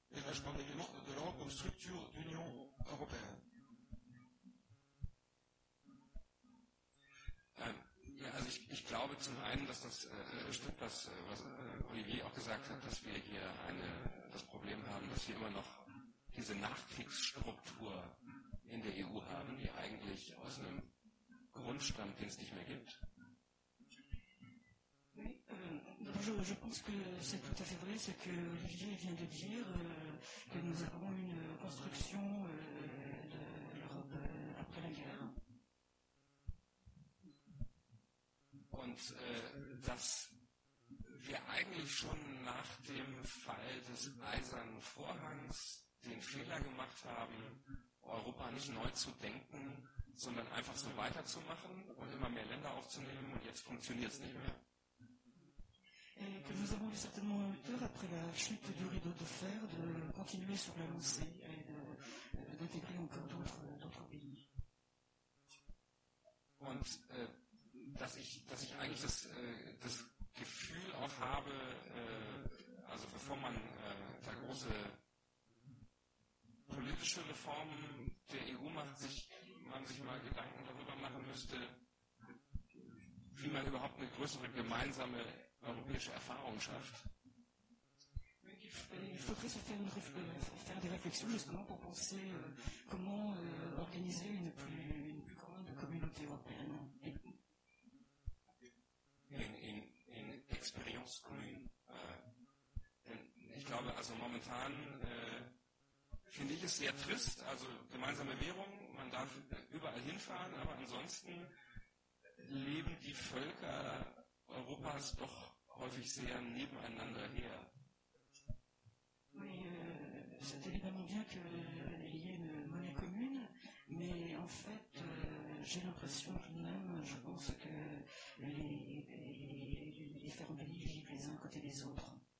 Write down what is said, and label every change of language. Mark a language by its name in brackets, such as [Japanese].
[French] Et là, je parle également de l'Europe comme structure d'Union européenne. [German] Also ich glaube zum einen, dass das stimmt, was Olivier auch gesagt hat, dass wir hier das Problem haben, dass wir immer noch diese Nachkriegsstruktur in der EU haben, die eigentlich aus einem Grundstamm, den es nicht mehr gibt. [French] Je pense que c'est tout à fait vrai ce que Olivier vient de dire, que nous avons une construction de l'Europe après la guerre. [German] Und dass wir eigentlich schon nach dem Fall des Eisernen Vorhangs den Fehler gemacht haben, Europa nicht neu zu denken, sondern einfach so weiterzumachen und immer mehr Länder aufzunehmen und jetzt funktioniert es nicht mehr. [French] Et que nous avons eu certainement eu peur après la chute du rideau de fer de continuer sur la lancée et d'intégrer encore d'autres pays. [German] Und dass ich eigentlich das Gefühl auch habe, also bevor man da große politische Reformen der EU macht, man sich mal Gedanken darüber machen müsste, wie man überhaupt eine größere gemeinsame europäische Erfahrung schafft. [French] Il faudrait se faire des réflexions justement pour penser comment organiser une plus grande communauté européenne. In Experience Grün. [German] Ich glaube, also momentan finde ich es sehr trist, also gemeinsame Währung, man darf überall hinfahren, aber ansonsten leben die Völker Europas doch häufig sehr nebeneinander her. [French] Oui, c'est évidemment bien qu'il y ait une monnaie commune, mais en fait, j'ai l'impression tout de même, je pense que les différents pays vivent les uns à côté des autres.